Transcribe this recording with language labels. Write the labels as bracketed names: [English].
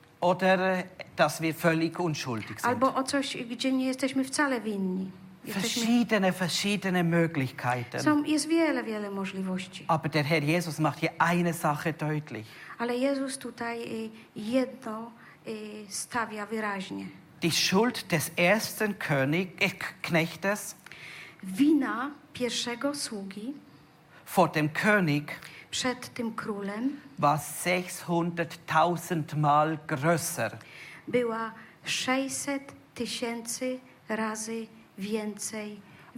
[German] Oder dass wir völlig unschuldig sind. [Polish] Albo o coś, gdzie nie jesteśmy wcale winni. [German] Verschiedene Möglichkeiten. [Polish] Jest wiele, wiele możliwości. [German] Aber der Herr Jesus macht hier eine Sache deutlich. [Polish] Ale Jezus tutaj jedno stawia wyraźnie. [German] Die Schuld des ersten Knechtes. [Polish] Wina pierwszego sługi. [German] Vor dem König. [Polish] Przed tym królem. [German] War 600.000 mal größer. [Polish] Była 600.000 razy więcej. Większa.